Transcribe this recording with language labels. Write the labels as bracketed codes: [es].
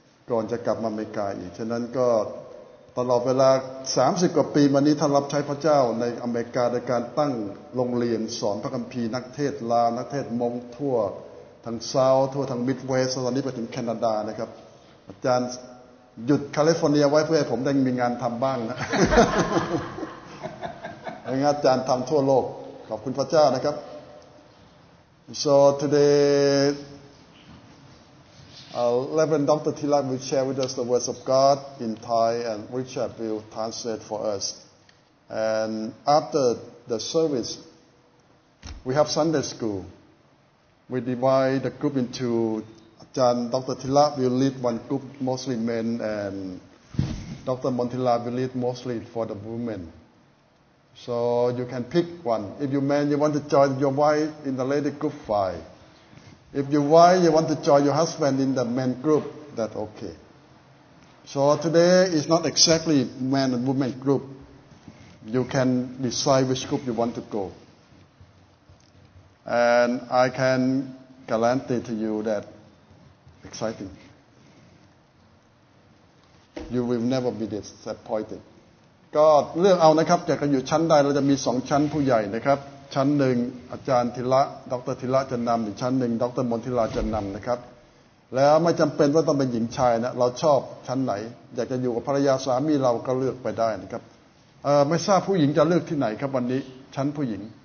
[th] ก่อนจะกลับมาอเมริกาอีกฉะนั้นก็ตลอดเวลา30กว่าปีมานี้ท่านรับใช้พระเจ้าในอเมริกาในการตั้งโรงเรียนสอนพระคัมภีร์นักเทศลาวนักเทศมงทั่วทางเซาทั่วทางมิดเวสต์ตอนนี้ไปถึงแคนาดานะครับอาจารย์ หยุดแคลิฟอร์เนียไว้เพื่อผมได้มีงานทำบ้างนะ งั้นอาจารย์ทำทั่วโลกขอบคุณพระเจ้านะครับ [en] So today Reverend Dr. Thila will share with us the words of God in Thai and Richard will translate for us and after the service we have Sunday schoolWe divide the group into Ajahn Dr. Thila will lead one group, mostly men, and Dr. Monthila will lead mostly for the women. So you can pick one. If you men, you want to join your wife in the lady group, fine. If you wife, you want to join your husband in the men group, that's okay. So today is not exactly men and women group. You can decide which group you want to go. And I can guarantee to you that exciting. You will never be disappointed. [th] ก็เลือกเอานะครับจะอยู่ชั้นใดเราจะมี2ชั้นผู้ใหญ่นะครับชั้นหนึ่งอาจารย์ธิระดร. ธิระจะนำอีกชั้นหนึ่งดร.มนทิลาจะนำนะครับแล้วไม่จำเป็นว่าต้องเป็นหญิงชายนะเราชอบชั้นไหนอยากจะอยู่กับภรรยาสามีเราก็เลือกไปได้นะครับไม่ทราบผู้หญิงจะเลือกที่ไหนครับวันนี้ชั้นผู้หญิง